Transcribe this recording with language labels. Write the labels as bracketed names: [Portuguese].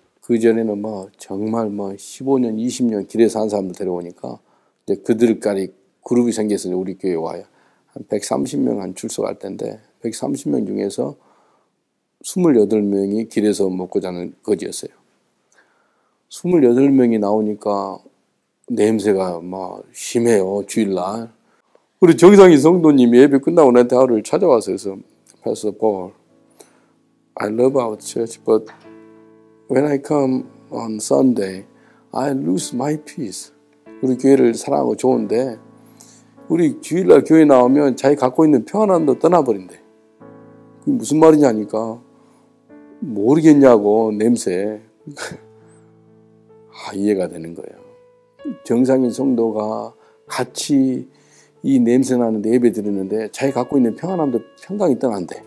[Korean] 그전에는 뭐 정말 뭐 15년, 20년 길에서 한 사람들 데려오니까 이제 그들까지 그룹이 생겨서 우리 교회에 와요. 한 130명 한 출석할 텐데 130명 중에서 28명이 길에서 먹고 자는 거지였어요. 28명이 나오니까 냄새가 막 심해요. 주일날 우리 정상인 성도님이 예배 끝나고 나한테 하루를 찾아와서 [English] Pastor Paul, I love our church, but when I come on Sunday, I lose my peace. [Korean] 우리 교회를 사랑하고 좋은데. 우리 주일날 교회 나오면 자기 갖고 있는 평안함도 떠나버린대. 그게 무슨 말이냐니까 모르겠냐고 냄새. 아, 이해가 되는 거예요. 정상인 성도가 같이 이 냄새 나는 예배 드리는데 자기 갖고 있는 평안함도 평강이 떠난대.